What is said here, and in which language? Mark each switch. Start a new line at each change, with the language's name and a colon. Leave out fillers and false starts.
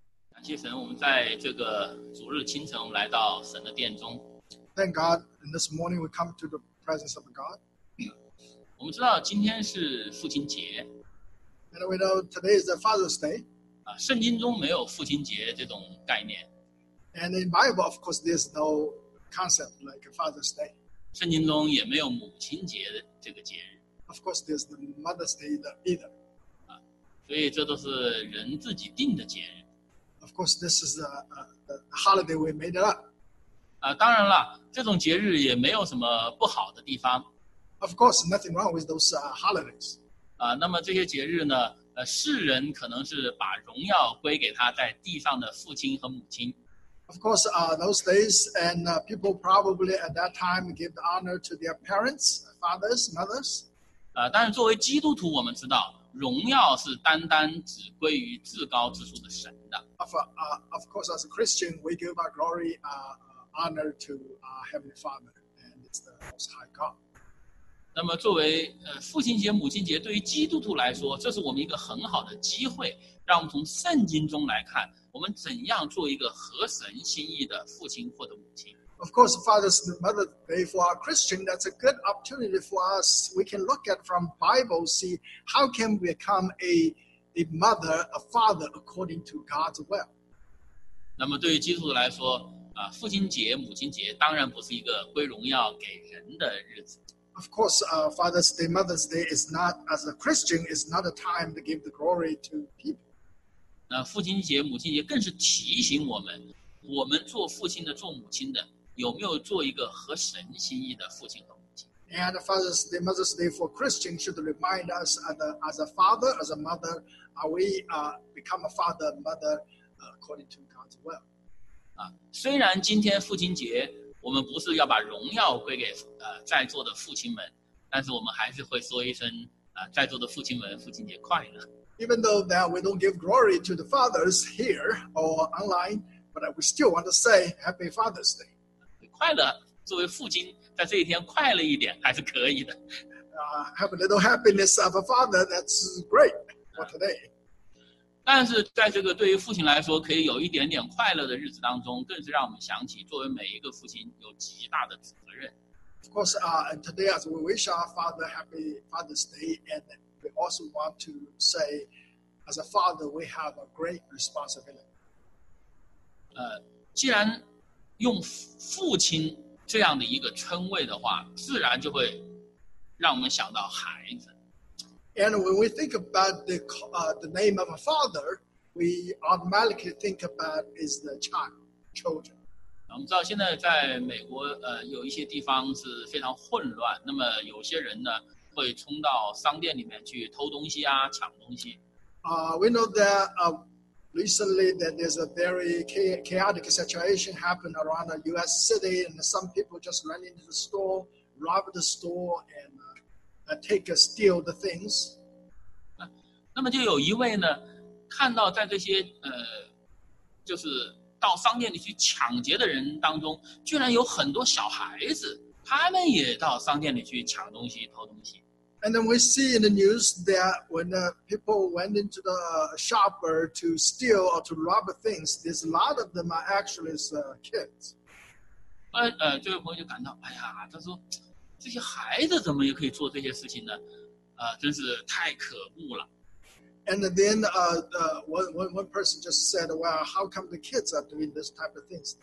Chinese: 感谢神，我们在这个主日清晨，我们来到神的殿中。
English: Thank God, and this morning we come to the presence of God.
Chinese: 我们知道今天是父亲节。
English: And we know today is the Father's Day.
Chinese: 圣经中没有父亲节这种概念。
English: And in Bible, of course, there's no concept like Father's Day.
Chinese: 圣经中也没有母亲节的这个节日。
English: Of course, there's the Mother's Day either.
Chinese: 所以这都是人自己定的节日。
English: Of course, this is a holiday we made up.
Chinese: 当然了，这种节日也没有什么不好的地方。
English: Of course, nothing wrong with those holidays.
Chinese: 那么这些节日呢？世人可能是把荣耀归给他在地上的父亲和母亲。
English: Of course, those days and people probably at that time give the honor to their parents, fathers, mothers.
Chinese: 但是作为基督徒，我们知道。荣耀是单单只归于至高之处的神的。
English: Of course, as a Christian, we give our glory, honor to our Heavenly Father, and it's the Most High God.
Chinese: 那么，作为父亲节、母亲节，对于基督徒来说，这是我们一个很好的机会，让我们从圣经中来看，我们怎样做一个合神心意的父亲或者母亲。
English: Of course, Father's and Mother's Day for our Christian, that's a good opportunity for us. We can look at from Bible, see how can we become a mother, a father according to God's will.
Chinese: 那么对于基督徒来说，父亲节、母亲节当然不是一个归荣耀给人的日子。
English: Of course, Father's Day, Mother's Day is not, as a Christian, is not a time to give the glory to people.
Chinese: 那父亲节、母亲节更是提醒我们，我们做父亲的、做母亲的。有没有做一个合神心意的父亲和母亲
English: ？And Father's Day, Mother's Day for Christians should remind us as a father, as a mother, are we become a father, mother according to God's will?
Chinese: 虽然今天父亲节，我们不是要把荣耀归给在座的父亲们，但是我们还是会说一声在座的父亲们，父亲节快乐。
English: Even though that we don't give glory to the fathers here or online, but we still want to say Happy Father's Day.
Chinese: 快乐作为父亲在这一天快乐一点还是可以的。
English: Have a little happiness of a father, that's great for today.
Chinese: 但是在这个对于父亲来说可以有一点点快乐的日子当中，更是让我们想起作为每一个父亲有极大的责任。
English: Of course, and today as we wish our father happy Father's Day, and we also want to say, as a father, we have a great responsibility.
Chinese: 既然用父亲这样的一个称谓的话，自然就会让我们想到孩子。
English: And when we think about the name of a father, we automatically think about is the child, children.
Chinese: 我们知道现在在美国有一些地方是非常混乱，那么有些人呢会冲到商店里面去偷东西啊，抢东西。
English: We know that recently that there's a very chaotic situation happened around a US city, and some people just ran into the store, robbed the store, and steal the things.
Chinese: 那么就有一位呢看到在这些就是到商店里去抢劫的人当中，居然有很多小孩子，他们也到商店里去抢东西、偷东西。
English: And then we see in the news that when the people went into the shop to steal or to rob things, there's a lot of them are actually kids.
Chinese: 这位朋友就感到，哎呀，他说，这些孩子怎么也可以做这些事情呢？真是太可恶了。
English: And then one person just said, well, how come the kids are doing this type of things?